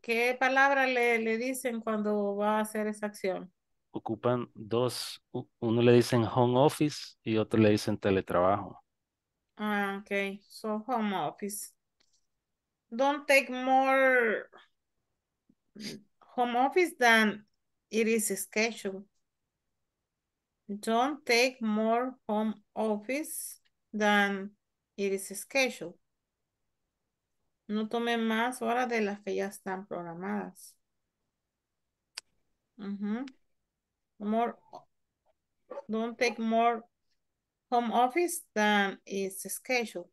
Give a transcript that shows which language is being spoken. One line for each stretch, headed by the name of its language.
Spanish: ¿Qué palabra le dicen cuando va a hacer esa acción? Ocupan dos, uno le dicen home office y otro le dicen teletrabajo.
English: Ah, okay, so home office. Don't take more home office than it is scheduled. Don't take more home office than it is scheduled.
Spanish: No tome más horas de las que ya están programadas. Mm-hmm.
English: Don't take more home office than is scheduled.